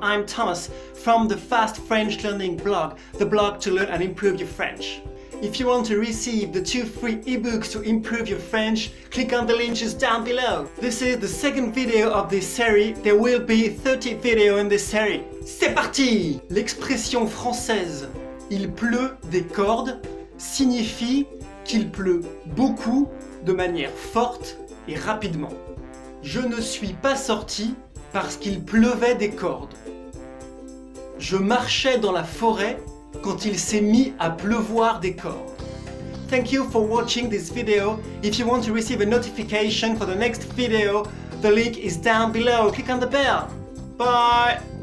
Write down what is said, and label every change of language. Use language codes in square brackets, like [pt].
[en] I'm Thomas from the Fast French Learning blog, the blog to learn and improve your French. If you want to receive the 2 free ebooks to improve your French, click on the links down below. This is the second video of this series. There will be 30 videos in this series. [fr] C'est parti! L'expression française il pleut des cordes signifie qu'il pleut beaucoup de manière forte et rapidement. Je ne suis pas sorti parce qu'il pleuvait des cordes. Je marchais dans la forêt quand il s'est mis à pleuvoir des cordes. [en] Thank you for watching this video. If you want to receive a notification for the next video, the link is down below. Click on the bell. Bye!